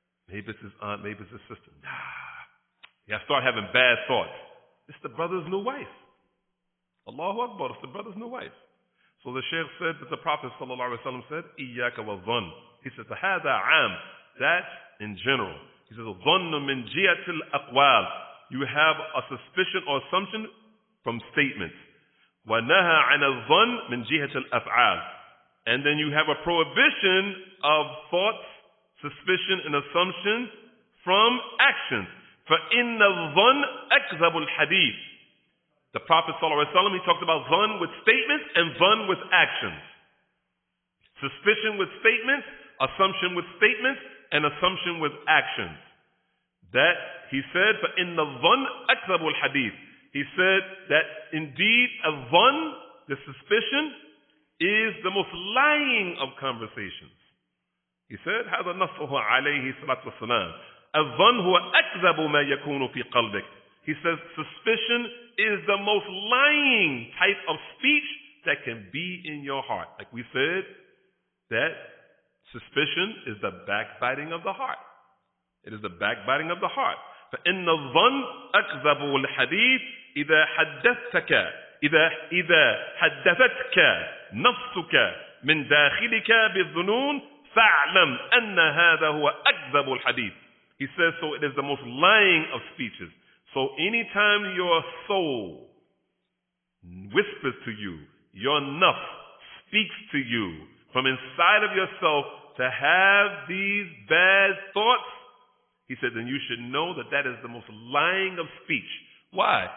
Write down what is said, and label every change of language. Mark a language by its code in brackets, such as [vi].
[en] Maybe it's his aunt, maybe it's his sister. Yeah, start having bad thoughts. It's the brother's new wife. Allahu Akbar, it's the brother's new wife. So the Shaykh said that the Prophet sallallahu alaihi wasallam said, [ar] إِيَّاكَ وَظَنْ. [en] He says, [ar] فَهَذَا عَامٌ. [en] That's in general. He says, [ar] ظَنُّ مِنْ جِيَةِ الْأَقْوَالِ. [en] You have a suspicion or assumption from statements. [ar] وَنَهَا عَنَ الظَّنْ مِنْ جِيَةِ الْأَفْعَالِ. [en] And then you have a prohibition of thoughts, suspicion, and assumption from actions. [ar] فَإِنَّ الظَّنْ أَكْذَبُ الْحَدِيثِ. [en] The Prophet sallallahu alaihi wasallam, he talked about dhann with statements and dhann with actions. Suspicion with statements, assumption with statements, and assumption with actions. That, he said, [ar] فَإِنَّ الظَّنْ أَكْذَبُ الْحَدِيثِ. [en] He said that indeed a dhann, the suspicion, is the most lying of conversations. He said, [ar] هَذَا نَصُّهُ عَلَيْهِ صَلَاتُ وَسَلَامُ. الظن هو أكذب ما يكون في قلبك. [en] He says, suspicion is the most lying type of speech that can be in your heart. Like we said, that suspicion is the backbiting of the heart. It is the backbiting of the heart. [ar] فَإِنَّ الظن أكذب الحديث إذا حدثتك إذا حدثتك نفسك من داخلك بالظنون فاعلم أن هذا هو أكذب الحديث. [en] He says, so it is the most lying of speeches. So anytime your soul whispers to you, your nafs speaks to you from inside of yourself to have these bad thoughts, he said, then you should know that that is the most lying of speech. Why?